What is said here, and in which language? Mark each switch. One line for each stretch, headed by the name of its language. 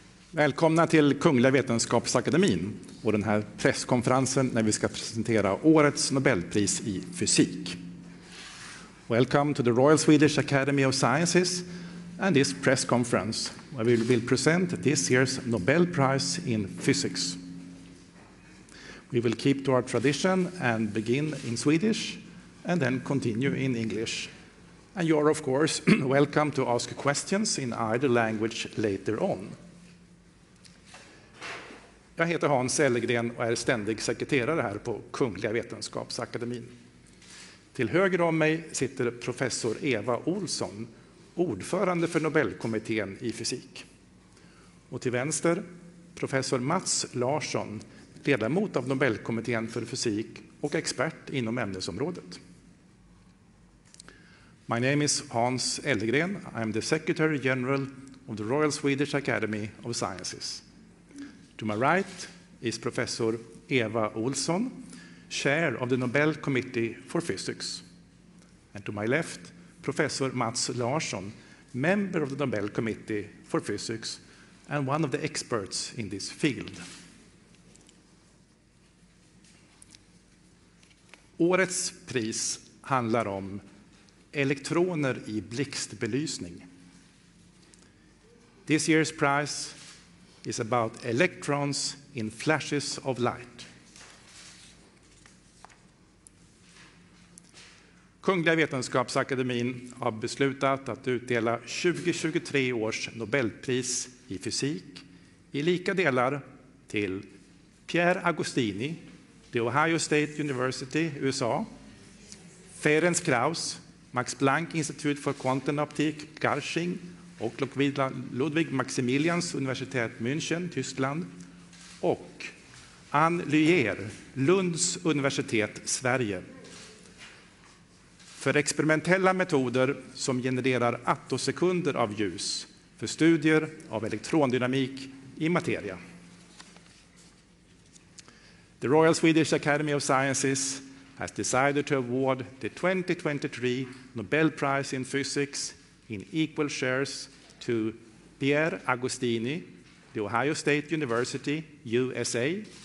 Swedish: Välkomna till Kungliga Vetenskapsakademin och den här presskonferensen när vi ska presentera årets Nobelpris i fysik.
English: Welcome to the Royal Swedish Academy of Sciences and this press conference where we will present this year's Nobel Prize in Physics. We will keep to our tradition and begin in Swedish and then continue in English. And you are, of course, welcome to ask questions in either language later on.
Swedish: Jag heter Hans Ellegren och är ständig sekreterare här på Kungliga Vetenskapsakademin. Till höger om mig sitter professor Eva Olsson, ordförande för Nobelkommittén i fysik. Och till vänster professor Mats Larsson, ledamot av Nobelkommittén för fysik och expert inom ämnesområdet.
English: My name is Hans Ellegren. I am the Secretary General of the Royal Swedish Academy of Sciences. To my right is Professor Eva Olsson, Chair of the Nobel Committee for Physics. And to my left, Professor Mats Larsson, member of the Nobel Committee for Physics and one of the experts in this field.
Swedish: Årets pris handlar om elektroner i blixtbelysning.
English: This year's prize is about electrons in flashes of light.
Swedish: Kungliga Vetenskapsakademin har beslutat att utdela 2023 års Nobelpris i fysik i lika delar till Pierre Agostini, The Ohio State University, USA, Ferenc Krauss, Max Planck Institute for Quantum Optics, Garching, och Ludwig Maximilians Universitet München, Tyskland, och Anne Luyer, Lunds universitet, Sverige, för experimentella metoder som genererar attosekunder av ljus för studier av elektrondynamik i materia.
English: The Royal Swedish Academy of Sciences has decided to award the 2023 Nobel Prize in Physics in equal shares to Pierre Agostini, The Ohio State University, USA,